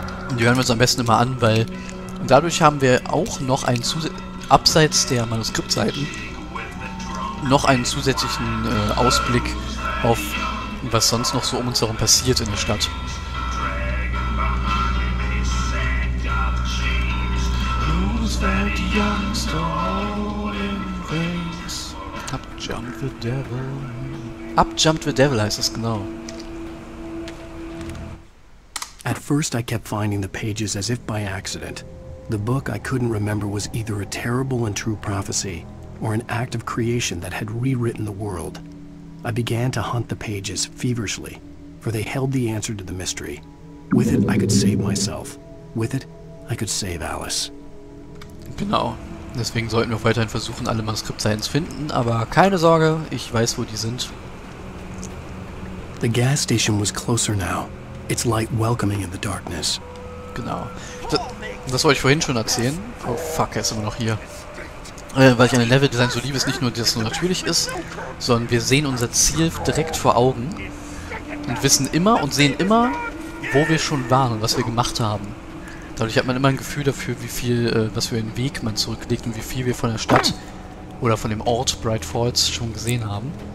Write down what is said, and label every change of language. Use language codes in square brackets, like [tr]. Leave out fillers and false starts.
[de] Und die hören wir uns am besten immer an, weil dadurch haben wir auch noch einen abseits der Manuskriptseiten noch einen zusätzlichen Ausblick auf was sonst noch so um uns herum passiert in der Stadt. [en] Up jumped the devil. Up jumped the devil [de] heißt das genau. [en] At first I kept finding the pages as if by accident. The book I couldn't remember was either a terrible and true prophecy or an act of creation that had rewritten the world. I began to hunt the pages feverishly, for they held the answer to the mystery. With it I could save myself. With it I could save Alice. [de] Genau. Deswegen sollten wir weiterhin versuchen, alle Manuskriptseiten zu finden, aber keine Sorge, ich weiß, wo die sind. [en] The gas station was closer now. It's light welcoming in the darkness. [de] Genau. Das wollte ich vorhin schon erzählen. Oh fuck, er ist immer noch hier. Weil ich an dem Level-Design so liebe, ist nicht nur, dass es nur natürlich ist, sondern wir sehen unser Ziel direkt vor Augen und wissen immer und sehen immer, wo wir schon waren und was wir gemacht haben. Dadurch hat man immer ein Gefühl dafür, wie viel, was für einen Weg man zurücklegt und wie viel wir von der Stadt oder von dem Ort Bright Falls schon gesehen haben.